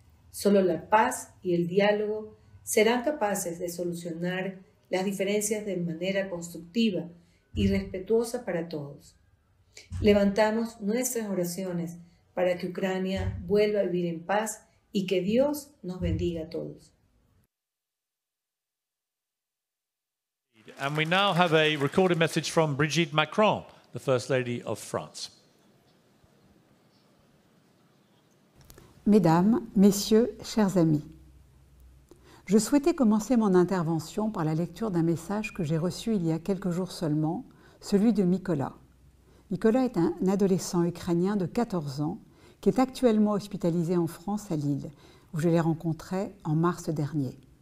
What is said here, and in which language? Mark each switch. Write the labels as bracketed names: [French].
[Spanish] Solo la paz y el diálogo serán capaces de solucionar las diferencias de manera constructiva y respetuosa para todos. Levantamos nuestras oraciones para que Ucrania vuelva a vivir en paz y que Dios nos bendiga a todos. [English] And we now have a recorded message from Brigitte Macron, the First Lady of France. [French] Mesdames, Messieurs, chers amis, je souhaitais commencer mon intervention par la lecture d'un message que j'ai reçu il y a quelques jours seulement, celui de Mykola. Mykola est un adolescent ukrainien de 14 ans qui est actuellement hospitalisé en France à Lille, où je l'ai rencontré en mars dernier.